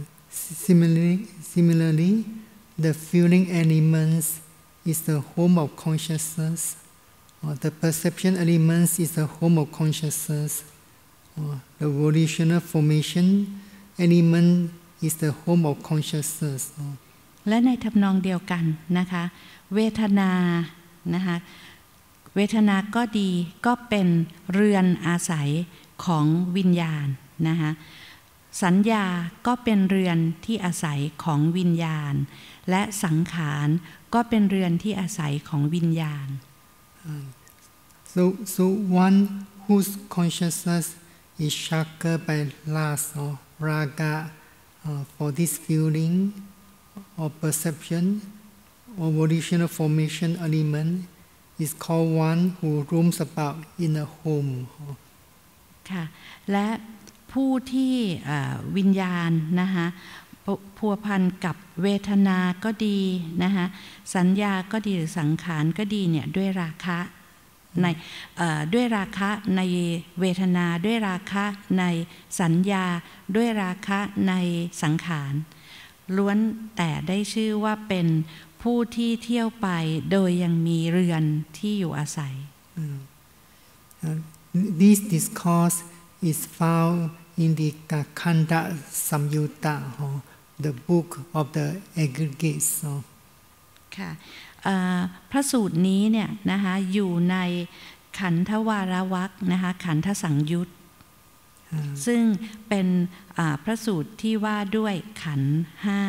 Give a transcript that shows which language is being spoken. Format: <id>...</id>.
<en>Similarly, the feeling elements is the home of consciousness. The perception elements is the home of consciousness. The volitional formation element is the home of consciousness.</en> <th>และในทำนองเดียวกันนะคะเวทนานะคะเวทนาก็ดีก็เป็นเรือนอาศัยของวิญญาณนะคะสัญญาก็เป็นเรือนที่อาศัยของวิญญาณและสังขารก็เป็นเรือนที่อาศัยของวิญญาณ</th> <en>so one whose consciousness is shackled by lust or raga for this feeling or perception or volitional formation elementis called one who roams about in a home</en> <th>ค่ะและผู้ที่วิญญาณนะคะ พัวพันกับเวทนาก็ดีนะคะสัญญาก็ดีหรือสังขารก็ดีเนี่ยด้วยราคะในด้วยราคะในเวทนาด้วยราคะในสัญญาด้วยราคะในสังขารล้วนแต่ได้ชื่อว่าเป็นผู้ที่เที่ยวไปโดยยังมีเรือนที่อยู่อาศัย</th> <en>This discourse is found in the Kakanda Samyutta or the book of the aggregates.</en> <th>ค่ะพระสูตรนี้เนี่ยนะคะอยู่ในขันธวาระวรรคนะคะขันธสังยุตซึ่งเป็นพระสูตรที่ว่าด้วยขันธ์5</th>